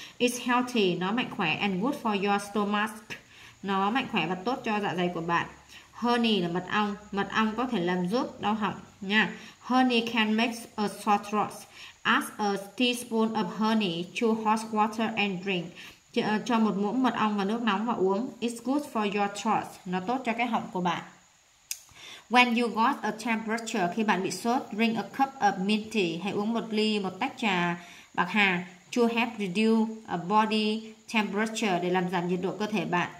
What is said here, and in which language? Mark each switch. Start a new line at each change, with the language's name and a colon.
English: It's healthy, nó mạnh khỏe, and good for your stomach.
Vietnamese: Nó mạnh khỏe và tốt cho dạ dày của bạn. Honey là mật ong. Mật ong có thể làm giúp đau họng nha.
English: Honey can make a sore throat. Add a teaspoon of honey to hot water and drink.
Vietnamese: Cho một muỗng mật ong vào nước nóng và uống.
English: It's good for your throat.
Vietnamese: Nó tốt cho cái họng của bạn.
English: When you got a temperature,
Vietnamese: khi bạn bị sốt,
English: drink a cup of mint tea.
Vietnamese: Hãy uống một ly, một tách trà bạc hà.
English: To help reduce a body temperature,
Vietnamese: để làm giảm nhiệt độ cơ thể bạn.